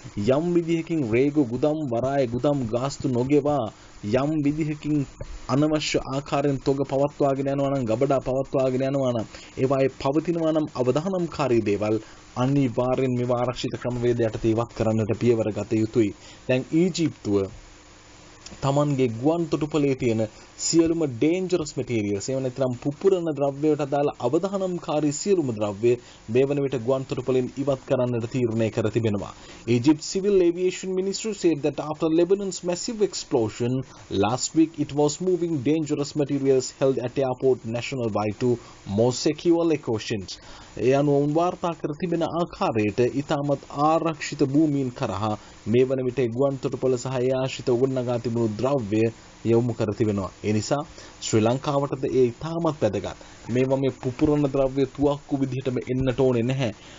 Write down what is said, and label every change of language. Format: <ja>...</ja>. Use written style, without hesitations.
<si>යම් විදිහකින් රේගු ගුදම් වරාය ගුදම් ගාස්තු නොගෙවා යම් විදිහකින් අනවශ්‍ය ආකාරයෙන් තොග පවත්වාගෙන යනවා නම් ගබඩා පවත්වාගෙන යනවා නම් ඒවායේ පවතිනවා නම් අවදානම්කාරී දේවල් අනිවාර්යෙන් මෙව ආරක්ෂිත ක්‍රමවේදයට තීවත් කරන්නට පියවර ගත යුතුයි. දැන් ඊජිප්තුව තමන්ගේ ගුවන් තොටුපළේ තියෙන සියලුම</si> <en>dangerous materials</en> <si>එහෙම නැත්නම් පුපුරන ද්‍රව්‍යවලට අදාළ අවදානම්කාරී සියලුම ද්‍රව්‍ය මේ වන විට ගුවන් තොටුපළෙන් ඉවත් කරන්නට තීරණය කර තිබෙනවා.</si> <en>Egypt's civil aviation ministry said that after Lebanon's massive explosion last week it was moving dangerous materials held at airport national by two more secure locations.</en> <si>ඒ අනුව ඔවුන් වාර්තා කර තිබෙන ආකාරයට ඉතාමත් ආරක්ෂිත භූමීන් කරහා මේ වන විට ගුවන් තොටුපළ සහ ආශ්‍රිත උගන්නගා තිබුණු ද්‍රව්‍ය යොමු කර තිබෙනවා. ඒ නිසා ශ්‍රී ලංකාවටද ඒ ඉතාමත් වැදගත්. මේවා මේ පුපුරන ද්‍රව්‍ය තුවක්කු විදිහටම එන්නට ඕනේ නැහැ.</si>